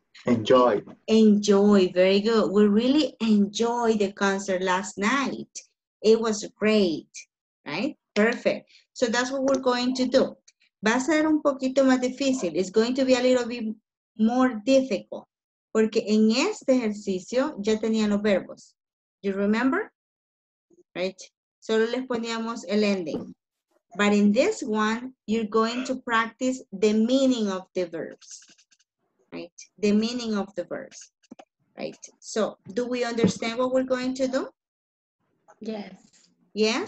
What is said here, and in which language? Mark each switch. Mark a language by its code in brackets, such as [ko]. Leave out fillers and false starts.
[en] Enjoyed. Enjoy. Very good. We really enjoyed the concert last night. It was great. Right? Perfect. So that's what we're going to do. [es] Va a ser un poquito más difícil. [en] It's going to be a little bit more difficult. [es] Porque en este ejercicio ya tenían los verbos. [en] You remember? Right? [es] Solo les poníamos el ending. [en] But in this one, you're going to practice the meaning of the verbs, right? The meaning of the verbs, right? So do we understand what we're going to do? Yes. Yes?